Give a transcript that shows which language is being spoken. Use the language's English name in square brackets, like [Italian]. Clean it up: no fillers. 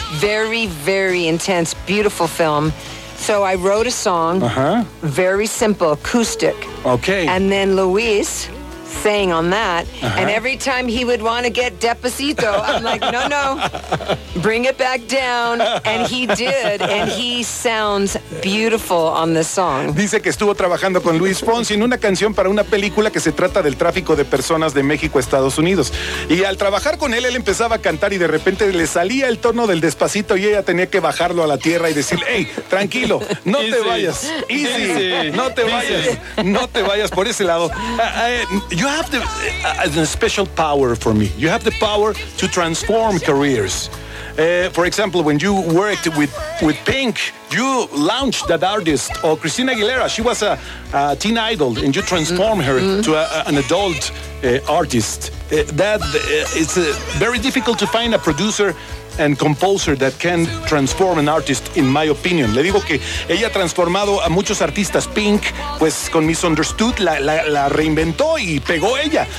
[English] Very, very intense, beautiful film. So I wrote a song, very simple, acoustic. Okay. And then Luis sang on that. Uh-huh. And every time he would want to get Despacito, I'm like, no, bring it back down. And he did. And he sounds beautiful on this song. [Spanish] Dice que estuvo trabajando con Luis Fonsi en una canción para una película que se trata del tráfico de personas de México a Estados Unidos. Y al trabajar con él, él empezaba a cantar y de repente le salía el tono del Despacito y ella tenía que bajarlo a la tierra y decir, hey, tranquilo, no te vayas. [English] Easy. [Spanish] No te vayas. No te vayas por ese lado. [English] You have the a special power for me. You have the power to transform careers. For example, when you worked with Pink, you launched that artist, or Christina Aguilera, she was a teen idol, and you transformed her to an adult artist. It's very difficult to find a producer and composer that can transform an artist, in my opinion. [Spanish] Le digo que ella ha transformado a muchos artistas. Pink, pues con Misunderstood, la reinventó y pegó ella.